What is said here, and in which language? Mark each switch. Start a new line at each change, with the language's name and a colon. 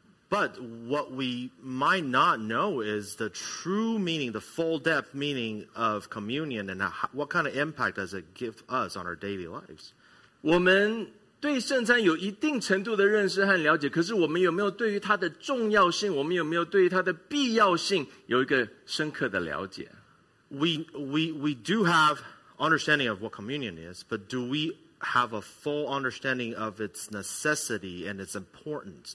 English: But what we might not know is the true meaning, the full depth meaning of communion and what kind of impact does it give us on our daily lives.
Chinese: 我们对圣餐有一定程度的认识和了解，可是我们有没有对于它的重要性，我们有没有对于它的必要性有一个深刻的了解？
English: We do have understanding of what communion is, but do we have a full understanding of its necessity and its importance?